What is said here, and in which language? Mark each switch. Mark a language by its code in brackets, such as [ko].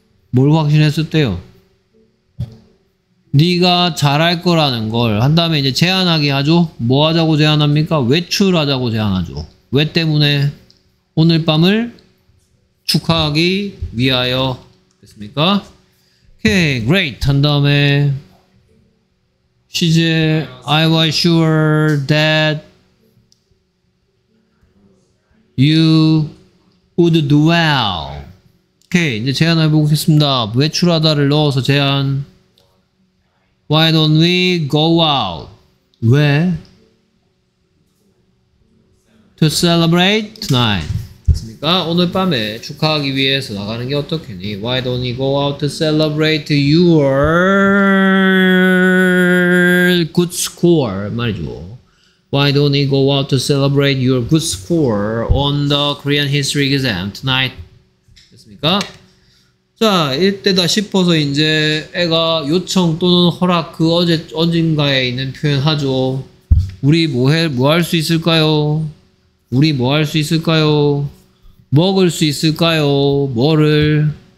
[ko] 뭘 확신했었대요? 네가 잘할 거라는 걸. 한 다음에 이제 제안하게 하죠. 뭐 하자고 제안합니까? 외출하자고 제안하죠. 왜 때문에? 오늘 밤을 축하하기 위하여. 됐습니까? 오케이. Great. 한 다음에 [en] She's I was sure that you would do well. [ko] 오케이. 이제 제안을 해보겠습니다. 외출하다를 넣어서 제안. [en] Why don't we go out? [ko] 왜? [en] To celebrate tonight. [ko] 됐습니까? 오늘 밤에 축하하기 위해서 나가는 게 어떻겠니? [en] Why don't we go out to celebrate your good score? [ko] 말이죠. [en] Why don't we go out to celebrate your good score on the Korean history exam tonight? [ko] 됐습니까? 자, 이때다 싶어서 이제 애가 요청 또는 허락 그 어제 언젠가에 있는 표현하죠. 우리 뭐 할 수 있을까요? 우리 뭐 할 수 있을까요? 먹을 수 있을까요? 뭐를?